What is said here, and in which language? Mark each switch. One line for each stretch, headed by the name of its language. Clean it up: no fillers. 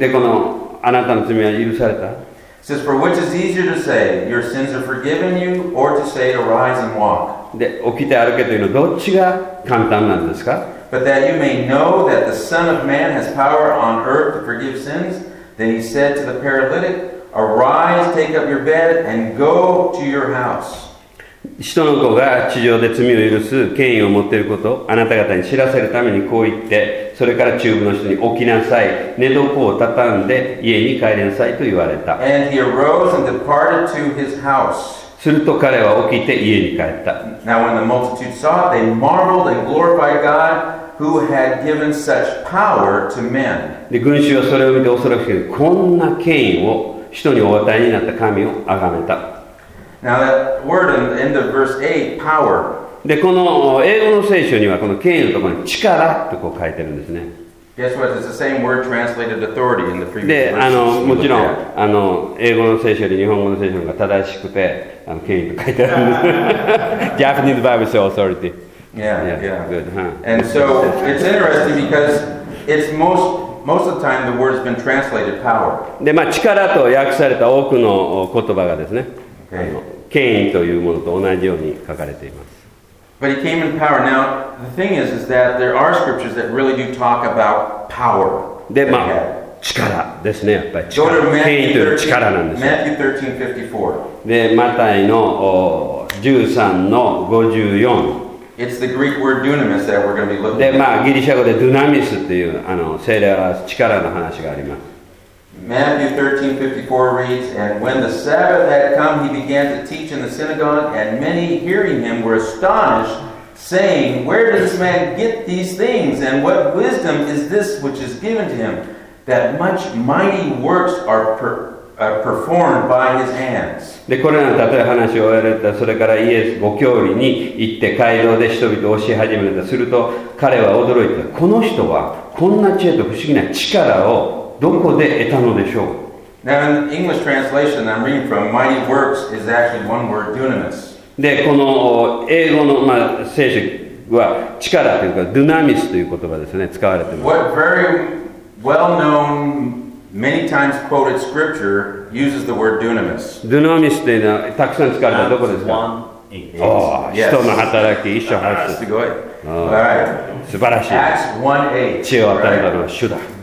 Japanese: で、このあなたの罪は許された。
English: Says, for which is easier to say, your sins are forgiven you, or to say, arise and walk.
Japanese: で、起きて歩けというのはどっちが簡単なんですか？
English: But that you may know that the Son of Man has power on earth to forgive sins, then he said to the paralytic, Arise, take up your bed, and go to your house.
Japanese: 人の子が地上で罪を許す権威を持っていることをあなた方に知らせるためにこう言って、それから中部の人に起きなさい、寝床を畳んで家に帰りなさいと言われた。
English: And he arose and departed to his house.
Japanese: すると彼は起きて家に帰った。
English: Now when the multitude saw it, they marveled and glorified God who had given such power to men.
Japanese: で、群衆はそれを見て恐らくこんな権威を人にお与えになった神を崇めた。
English: Now that word in the end of verse 8, power.
Japanese: で、この英語の聖書にはこの権威のところに力とこう書いてるんですね。
English: Guess what? It's the same word translated authority in the previous verse.
Japanese: で、もちろん、英語の聖書より日本語の聖書が正しくて、権威と書いてあるんです。
English: Japanese Bible says authority. Yeah. Good, huh? And so, it's interesting because it's most of the time the word's been translated power.
Japanese: で、まあ、力と訳された多くの言葉がですね、権威というものと同じように書かれています。
English: But he came in power. Now, the thing is that there are scriptures that really do talk about power.
Japanese: で、まあ、力ですね、やっぱり力。
English: Go to Matthew
Japanese: 13:54. で、マタイの13:54.
English: It's the Greek word dunamis that we're going to be looking
Japanese: at. で、まあ、ギリシャ語でドゥナミスっていう、聖霊を表す力の話があります。
English: Matthew 13:54 reads, And when the Sabbath had come, he began to teach in the synagogue, and many hearing him were astonished saying, where does this man get these things? And what wisdom is this which is given to him, that much mighty works are performed by his hands?
Japanese: で、これらの例え話を終えられた。それからイエス、ご教理に行って街道で人々を教え始めた。すると彼は驚いた。この人はこんな知恵と不思議な力をどこで得たのでしょう。
English: Now in English translation I'm reading from, mighty works is actually one word, dunamis.
Japanese: で、この英語の、まあ、聖書は力というか、ドゥナミスという言葉ですね、使われています。
English: What very well known, many times quoted scripture uses the word dunamis.
Japanese: ドゥナミスというのはたくさん使われた、どこですか？
English: Acts 1:8.
Japanese: Oh, 人の働き、一章八節。
English: That's good. All right.
Japanese: 素晴らしい。
English: Acts 1:8.
Japanese: 知恵を与えたのは主だ。